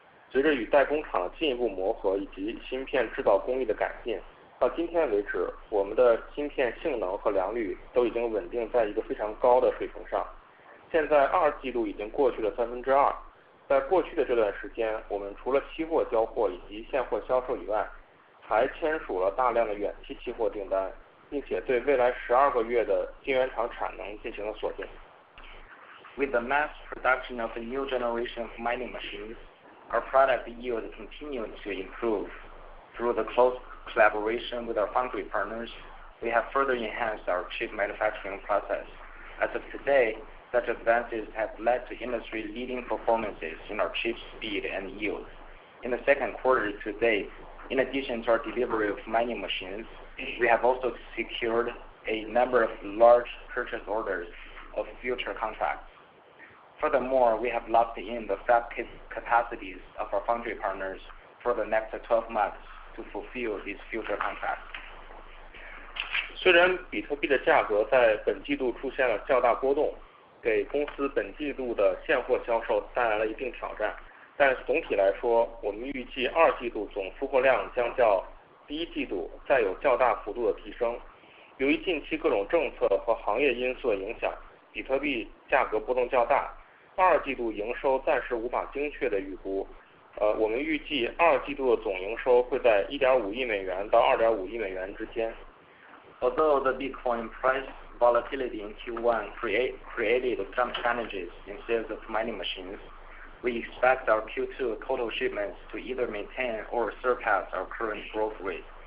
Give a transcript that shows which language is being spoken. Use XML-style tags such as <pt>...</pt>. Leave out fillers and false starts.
<zh>随着与代工厂进一步磨合以及芯片制造工艺的改进，到今天为止，我们的芯片性能和良率都已经稳定在一个非常高的水平上。现在二季度已经过去了2/3。在过去的这段时间，我们除了期货交货以及现货销售以外，还签署了大量的远期期货订单，并且对未来12个月的晶圆厂产能进行了锁定。</zh> <en>With the mass production of a new generation of mining machines, our product yield continued to improve. Through the close collaboration with our foundry partners, we have further enhanced our chip manufacturing process. As of today,Such advances have led to industry-leading performances in our chip speed and yield. In the second quarter to date, in addition to our delivery of mining machines, we have also secured a number of large purchase orders of future contracts. Furthermore, we have locked in the fab capacities of our foundry partners for the next 12 months to fulfill these future contracts.</en> <zh>虽然比特币的价格在本季度出现了较大波动，给公司本季度的现货销售带来了一定挑战，但总体来说，我们预计二季度总出货量将较第一季度再有较大幅度的提升。由于近期各种政策和行业因素的影响，比特币价格波动较大，二季度营收暂时无法精确的预估。我们预计二季度的总营收会在$1.5亿到$2.5亿之间。</zh> <en>Although the Bitcoin price volatility in Q1 created some challenges in sales of mining machines, we expect our Q2 total shipments to either maintain or surpass our current growth rate.</en>